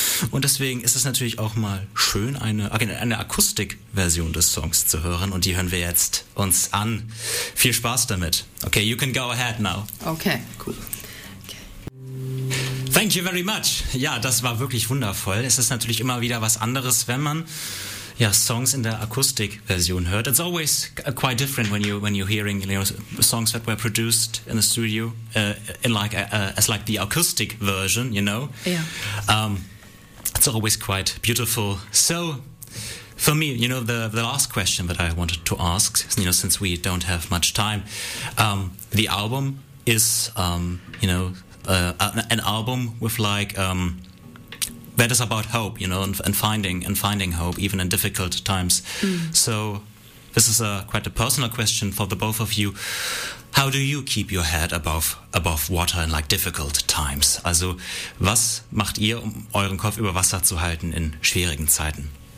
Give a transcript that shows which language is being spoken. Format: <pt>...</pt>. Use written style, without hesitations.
<de>Und deswegen ist es natürlich auch mal schön, eine Akustikversion des Songs zu hören. Und die hören wir jetzt uns an. Viel Spaß damit.</de> <en>Okay, you can go ahead now. Okay, cool. Thank you very much.</en> <de>Ja, das war wirklich wundervoll. Es ist natürlich immer wieder was anderes, wenn man Songs in der Akustikversion hört.</de> <en>It's always quite different when you're hearing, you know, songs that were produced in the studio as the acoustic version, you know. Yeah. It's always quite beautiful. So, for me, you know, the last question that I wanted to ask, you know, since we don't have much time, the album is, you know, an album with like that is about hope, you know, and finding hope even in difficult times. So this is quite a personal question for the both of you. How do you keep your head above water in like difficult times?</en> <de>Also was macht ihr, um euren Kopf über Wasser zu halten in schwierigen Zeiten?</de>